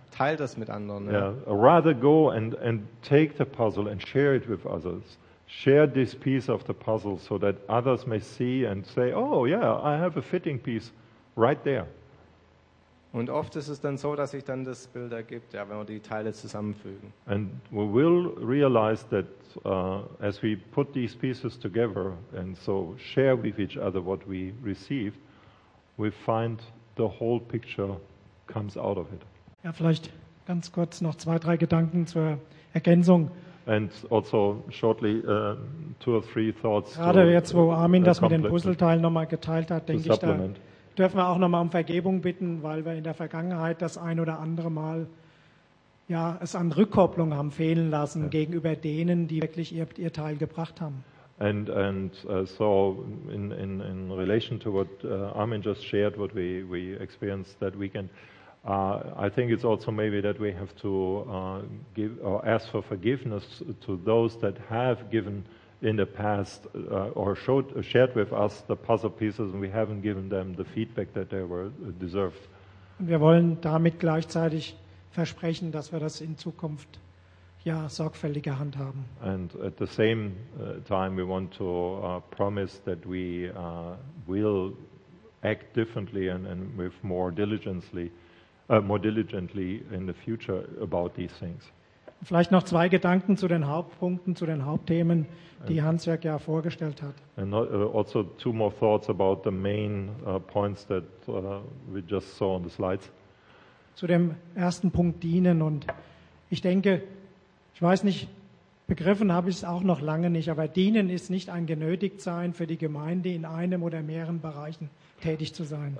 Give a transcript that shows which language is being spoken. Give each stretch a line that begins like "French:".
German: Teilt das mit anderen.
English: Yeah. Rather go and take the puzzle and share it with others. Share this piece of the puzzle so that others may see and say, oh yeah, I have a fitting piece right there.
German: Und oft ist es dann so, dass sich dann das Bild ergibt, ja, wenn wir die Teile zusammenfügen.
English: And we will realize that as we put these pieces together and so share with each other what we received, we find the whole picture comes out of it.
German: Ja, vielleicht ganz kurz noch zwei, drei Gedanken zur Ergänzung.
English: And also shortly two or three thoughts.
German: Gerade jetzt, wo Armin das mit den Puzzleteilen nochmal geteilt hat, denke ich, da dürfen wir auch nochmal um Vergebung bitten, weil wir in der Vergangenheit das ein oder andere Mal ja, es an Rückkopplung haben fehlen lassen gegenüber denen, die wirklich ihr Teil gebracht haben.
English: And so in relation to what Armin just shared, what we experienced that weekend, I think it's also maybe that we have to give or ask for forgiveness to those that have given in the past shared with us the puzzle pieces and we haven't given them the feedback that they were deserved.
German: Und wir wollen damit gleichzeitig versprechen, dass wir das in Zukunft ja sorgfältiger handhaben.
English: And at the same time we want to promise that we will act differently and with more diligently in the future about these things.
German: Vielleicht noch zwei Gedanken zu den Hauptpunkten, zu den Hauptthemen, die Hans-Jörg ja vorgestellt hat.
English: And also two more thoughts about the main points that we just saw on the slides.
German: Zu dem ersten Punkt dienen, und ich denke, ich weiß nicht, begriffen habe ich es auch noch lange nicht, aber dienen ist nicht ein genötigt sein für die Gemeinde in einem oder mehreren Bereichen tätig zu sein.